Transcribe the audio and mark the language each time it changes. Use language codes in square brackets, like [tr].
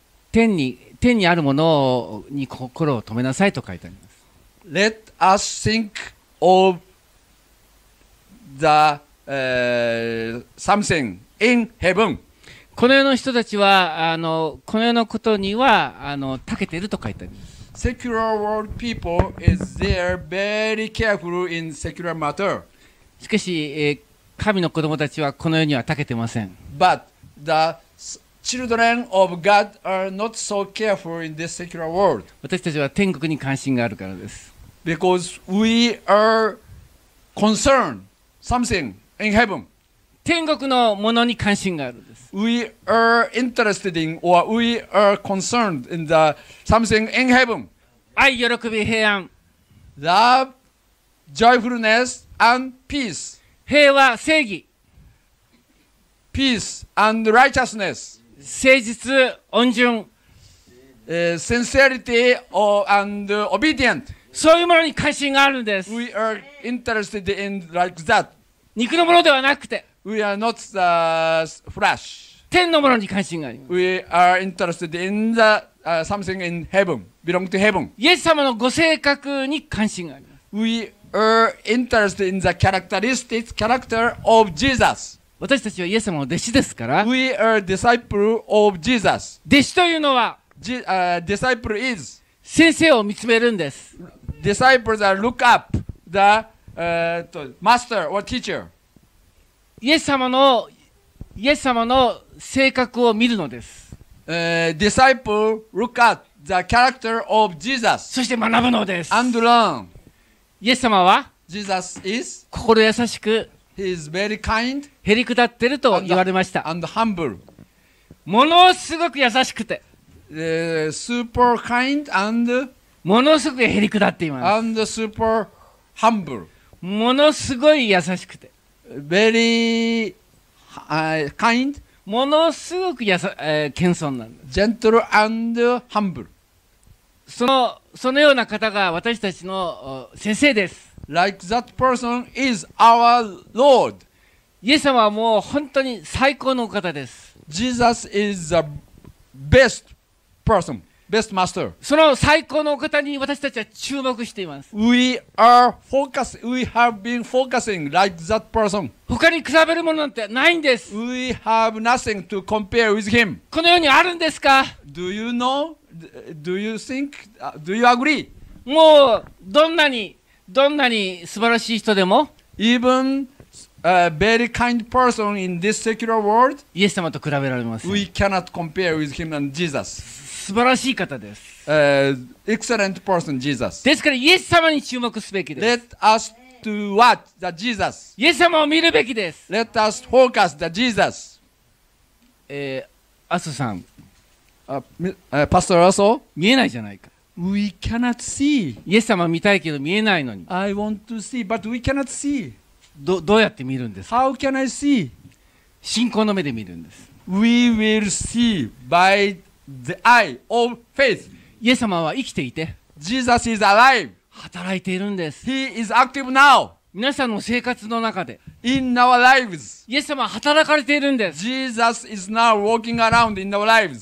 [ja] 天にあるものに心を止めなさいと書いてあります。 [en] Let us think of theSomething in heaven. [ja] この世の人たちはこの世のことには長けていると書いてあります。 [en] Secular world people is there very careful in secular matter. [ja] しかし、神の子供たちはこの世には長けてません。 [en] But the children of God are not so careful in this secular world. [ja] 私たちは天国に関心があるからです。 [en] Because we are concerned something in heaven. [ja] 天国のものに関心があるんです。 [en] We are interested in or we are concerned in the something in heaven. [ja] 愛、喜び、平安。 [en] Love, joyfulness, and peace. [ja] 平和、正義。 [en] Peace and righteousness. [ja] 誠実、温順。 [en] Sincerity and obedient. [ja] そういうものに関心があるんです。 [en] We are interested in like that. [ja] 肉のものではなくて。 [en] We are not the flesh. [ja] 天のものに関心があります [en] 。We are interested in the, something in heaven, belong to heaven. [ja] イエス様のご性格に関心があります。 [en] We are interested in the characteristics, character of Jesus. [ja] 私たちはイエス様の弟子ですから。 [en] We are disciple of Jesus. [ja] 弟子というのは、 [en] disciple is [ja] 先生を見つめるんです。 [en] Disciples are look up the master or teacher. [ja] イエス様の性格を見るのです。 [en] Disciple look at the character of Jesus. [ja] そして学ぶのです。 [en] And learn. [ja] イエス様は [en] Jesus is [ja] 心優しく [en] He is very kind. [ja] へりくだってると言われました。 [en] And humble. [ja] ものすごく優しくて。 [en] Super kind and [ja] ものすごくへりくだっています。 [en] And super humble. [ja] ものすごい優しくて。 [en] Very kind. [ja] ものすごく謙遜なんです。 [en] Gentle and humble. [ja] そのような方が私たちの先生です。 [en] Like that person is our Lord. [ja] イエス様はもう本当に最高の方です。 [en] Jesus is the bestperson, best master. [ja] その最高のお方に私たちは注目しています。 [en] We are focusing, we have been focusing like that person. [ja] 他に比べるものなんてないんです。 [en] We have nothing to compare with him. [ja] この世にあるんですか? [en] Do you know? Do you think? Do you agree? [ja] もうどんなに素晴らしい人でも [en] Even a very kind person in this secular world, [ja] イエス様と比べられません。 [en] We cannot compare with him and Jesus. [ja] 素晴らしい方です。 [en] Excellent person, Jesus. [ja] ですから、イエス様に注目すべきです。 [en] Let us to watch the Jesus. [ja] イエス様を見るべきです。 [en] Let us focus the Jesus. [ja] 麻生さん。 [en] Pastor 麻生。 [ja] 見えないじゃないか。 [en] We cannot see. [ja] イエス様を見たいけど見えないのに。 [en] I want to see, but we cannot see. [ja] どうやって見るんですか? [en] How can I see? [ja] 信仰の目で見るんです。 [en] We will see by... The eye of faith. [ja] イエス様は生きていて、 [en] Jesus is alive. [ja] 働いているんです。 [en] He is active now. [ja] 皆さんの生活の中で、 [en] In our lives. [ja] イエス様は働かれているんです。 [en] Jesus is now walking around in our lives.